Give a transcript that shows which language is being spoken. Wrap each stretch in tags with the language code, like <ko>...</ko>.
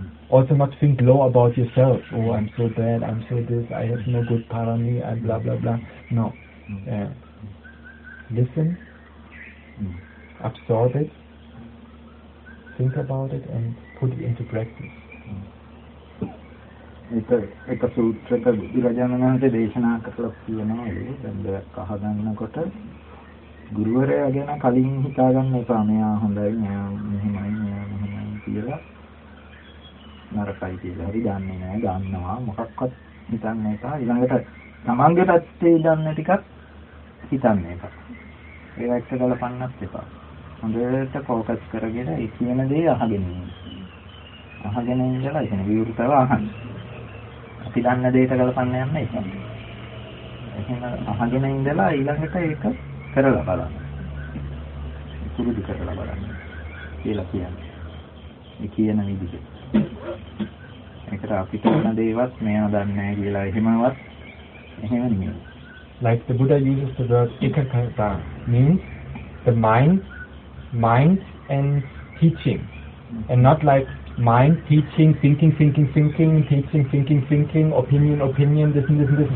<en>Also not think low about yourself, oh, I'm so bad, I'm so this, I have no good parami, and blah, blah, blah. No. Listen, absorb it, think about it, and put it into practice.</en> <si>එක සූත්‍රක බුදුරජාණන් වහන්සේ දේශනා කළා කියනවා දැන් දෙයක් අහගන්නකොට ගුරුවරයා ගැන කලින් හිතාගන්න එපා මෙයා හොඳයි මෙයා මෙහෙමයි කියලා නරකයි කියලා හරි දන්නේ නැහැ දන්නවා මොකක්වත් හිතන්නේ නැහැ ඊළඟට තමන්ගේ පැත්තේ ඉඳන් ටිකක් හිතන්නේ නැහැ ඒක එක්ක ගලපන්නත් එපා හොඳට ફોකස් කරගෙන ඒ කියන දේ අහගෙන ඉඳලා එහෙනම් විවෘතව අහන්න අපි දන්න දේට ගලපන්න යන්න ඒක. එහෙම අහගෙන ඉඳලා ඊළඟට ඒක කරලා බලන්න. පුරුදු කරලා බලන්න. කියලා කියන්නේ. ඒ කියන විදිහ. ඒකට අපිට දන්න දේවත් මෙයා දන්නේ නැහැ කියලා එහෙමවත් එහෙම නෙමෙයි.</si> <en>Like the Buddha uses the word ekakata means the mind and teaching and not like mind, teaching, thinking, teaching, thinking, opinion, this.</en>